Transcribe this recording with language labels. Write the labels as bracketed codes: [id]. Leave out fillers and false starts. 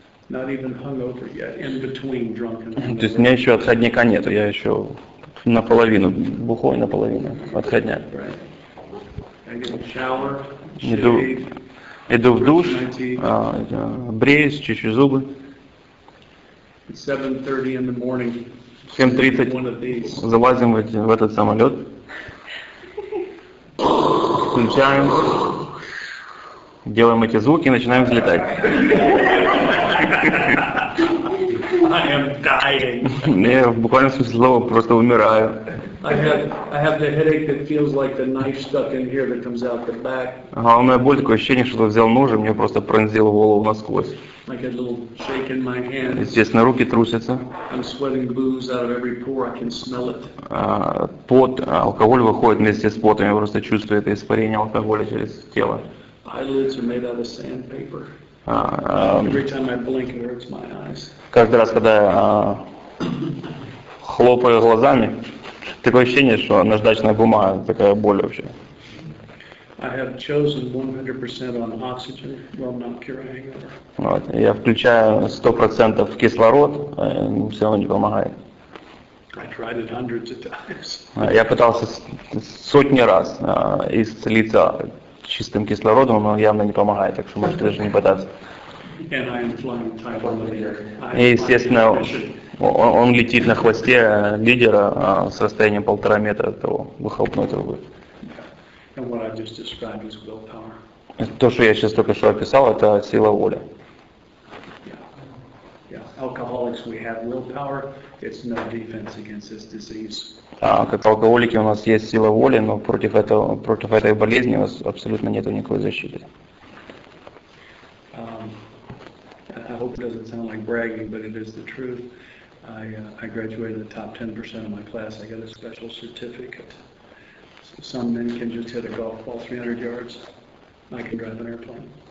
[en] Not even hungover yet, in between drunk and hungover. [ru] То есть у меня еще отходняка нету, я еще наполовину бухой, наполовину отходня. [en] Right. I get a shower, shave, [ru] иду в душ, бреюсь, чищу зубы. [en] It's 7:30 in the morning. [ru] 7:30 залазим в этот самолет. Включаем, делаем эти звуки и начинаем взлетать. [en] I am dying. [ru] Я в буквальном смысле слова просто умираю. [en] I have the headache that feels like the knife stuck in here that comes out the back. [ru] А у меня боль, такое ощущение, что взял нож и мне просто пронзил голову насквозь. [en] I get a little shake in my hand. [ru] Естественно, руки трусятся. [en] I'm sweating booze out of every pore. I can smell it. [ru] Пот, алкоголь выходит вместе с потом. Я просто чувствую это испарение алкоголя через тело. [en] Eyelids are made out of sandpaper. Every time I blink, it hurts my eyes. [ru] Каждый раз, когда хлопаю глазами. Такое ощущение, что наждачная бумага, такая боль вообще. [en] I have chosen 100% on oxygen, well, not cure hangover. [ru] Вот, я включаю 100% кислород, все равно не помогает. [en] I tried it hundreds of times. [ru] Я пытался сотни раз исцелиться чистым кислородом, но явно не помогает, так что можете даже не пытаться. [en] And I am flying type of leader. [ru] И, естественно, он летит на хвосте лидера с расстоянием 1.5 метра от того выхлопной трубы. То, что я сейчас только что описал, это сила воли. [en] Alcoholics, we have willpower. It's no defense against this disease. [ru] Как алкоголики у нас есть сила воли, но против этой болезни у нас абсолютно нет никакой защиты. [en] I hope it doesn't sound like bragging, but it is the truth. I graduated the top 10% of my class. I got a special certificate. Some men can just hit a golf ball 300 yards. I can drive an airplane.